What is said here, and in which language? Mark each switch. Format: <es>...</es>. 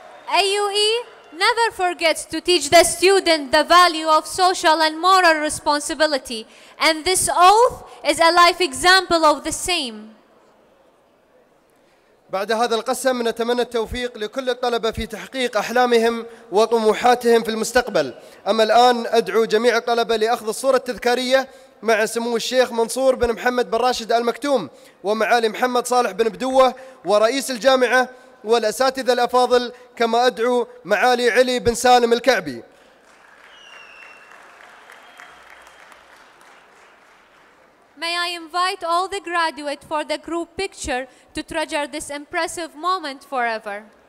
<en>AUE never forgets to teach the student the value of social and moral responsibility, and this oath is a life example of the same.</en> <ar>بعد هذا القسم نتمنى التوفيق لكل الطلبة في تحقيق أحلامهم وطموحاتهم في المستقبل. أما الآن أدعو جميع الطلبة لأخذ الصورة التذكارية مع سمو الشيخ منصور بن محمد بن راشد المكتوم ومعالي محمد صالح بن بدوة ورئيس الجامعة والأساتذة الأفاضل، كما أدعو معالي علي بن سالم الكعبي.</ar> <en>May I invite all the graduates for the group picture to treasure this impressive moment forever.</en>